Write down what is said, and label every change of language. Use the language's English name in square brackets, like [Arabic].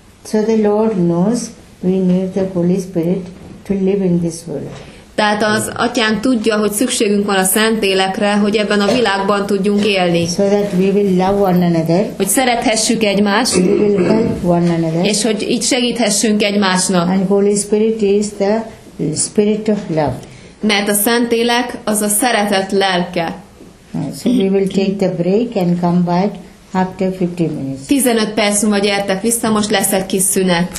[English] So the Lord knows we need the Holy Spirit to live in this world. [Hungarian] Tehát az Atyán tudja, hogy szükségünk van a Szentlélekre, hogy ebben a világban tudjunk élni. [English] So that we will love one another, [Hungarian] hogy szerethessük egymást, [English] we will help one another, [Hungarian] és hogy így segíthessünk egymásnak. [English] And Holy Spirit is the Spirit of love. [Hungarian] Mert a Szentlélek az a szeretet lelke. [English] So we will take the break and come back after 15 minutes. [Hungarian] 15 perc múlva gyertek vissza, most lesz egy kis szünet.